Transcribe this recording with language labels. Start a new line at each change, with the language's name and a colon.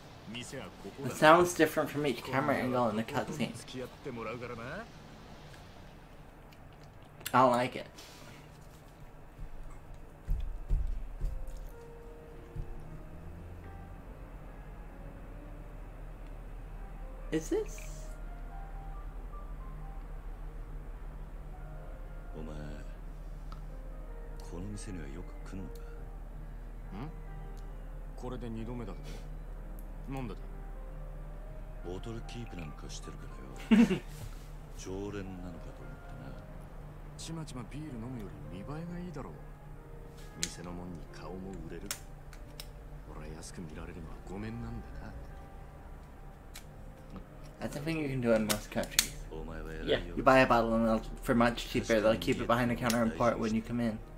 English: It sounds different from each camera angle in the cutscene.
Japanese: 付き合ってもらうからな。
English: I don't like it. Is this?
Japanese: お前、この店にはよく来るのか？ん？これで二度目だって。なんでだ？ボトルキープなんかしてるからよ。常連なのかと思ってな。ちまちまビール飲むより見栄えがいいだろう。店のもんに顔も売れる。俺は安く見られるのはごめんなんだな。
English: That's a thing you can do in most countries. Yeah. You buy a bottle and they'll, for much cheaper, they'll keep it behind the counter and pour it when you come in.